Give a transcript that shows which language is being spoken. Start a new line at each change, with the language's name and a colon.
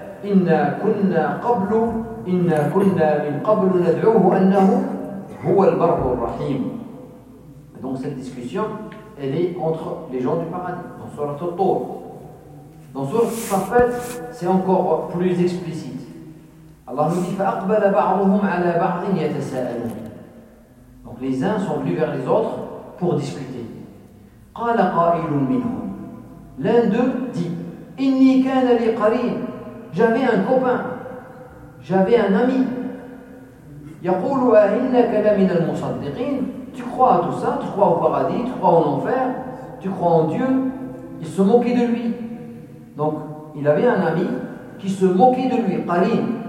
Arabic: إِنَّا كُنَّا قَبْلُ إِنَّا كُنَّا مِنْ قَبْلُ نَدْعُوهُ أَنَّهُ هُوَ الْبَرُّ الرَّحِيمُ.
French: Donc cette discussion, elle est entre les gens du paradis, dans Surat al-Tur. Dans ce prophète, c'est encore plus explicite. Allah nous dit
Arabic: فَأَقْبَلَ بَعْضُهُمْ عَلَى بَعْضٍ يَتَسَأَلُونَ.
French: Donc les uns sont venus vers les autres pour discuter.
Arabic: قَالَ قَائِلٌ مِنْهُمْ.
French: L'un d'eux dit
Arabic: إِنِّي كَانَ لِي قَرِينٌ.
French: J'avais un copain, j'avais un ami.
Arabic: يَقُولُ أَهِنَّكَ لَمِنَ الْمُصَدِّقِينَ.
French: Tu crois à tout ça, tu crois au paradis, tu crois en enfer, tu crois en Dieu. Il se moquait de lui. Donc, il avait un ami qui se moquait de lui, Qalin.